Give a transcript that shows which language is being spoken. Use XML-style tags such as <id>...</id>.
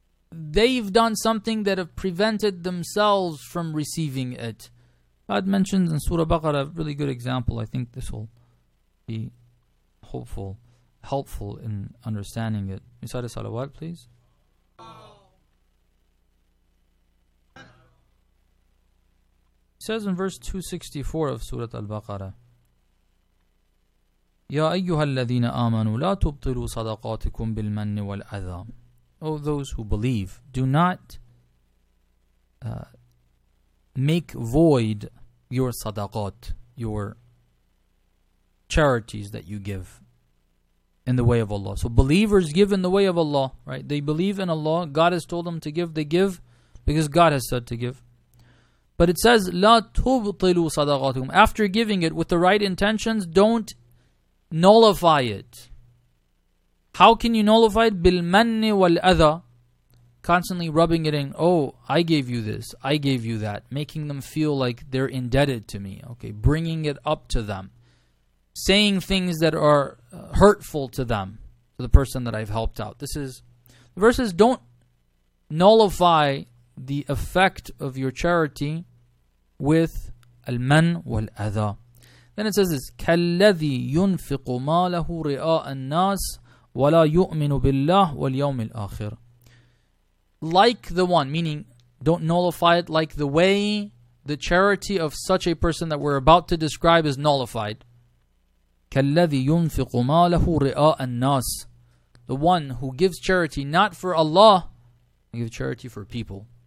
<en>They've done something that have prevented themselves from receiving it. God mentions in Surah Baqarah a really good example. I think this will be helpful in understanding it. Recite a salawat, please. It says in verse 264 of Surah Al-Baqarah,</en> <ar>يَا أَيُّهَا الَّذِينَ آمَنُوا لَا تُبْطِلُوا صَدَقَاتِكُمْ بِالْمَنِّ وَالْأَذَى.</ar> <en>O those who believe, do not make void your sadaqat, your charities that you give in the way of Allah. So believers give in the way of Allah, right? They believe in Allah. God has told them to give. They give because God has said to give. But it says,</en> <ar>لَا تُبْطِلُوا صَدَقَاتِكُمْ.</ar> <en>After giving it with the right intentions, don't nullify it. How can you nullify it?</en> <ar>بِالْمَنِّ وَالْأَذَى.</ar> <en>Constantly rubbing it in. Oh, I gave you this. I gave you that. Making them feel like they're indebted to me. Okay, bringing it up to them. Saying things that are hurtful to them, to the person that I've helped out. This is, the verse says, don't nullify the effect of your charity with al-man wal-adha. Then it says this,</en> <ar>كَالَّذِي يُنْفِقُ مَا لَهُ رِئَاءَ النَّاسِ وَلَا يُؤْمِنُ بِاللَّهِ وَالْيَوْمِ الْآخِرِ.</ar> <en>Like the one, meaning don't nullify it, like the way the charity of such a person that we're about to describe is nullified.</en> <ar>كَالَّذِي يُنْفِقُ مَا لَهُ رِئَاءَ النَّاسِ.</ar> <en>The one who gives charity not for Allah, he gives charity for people.</en>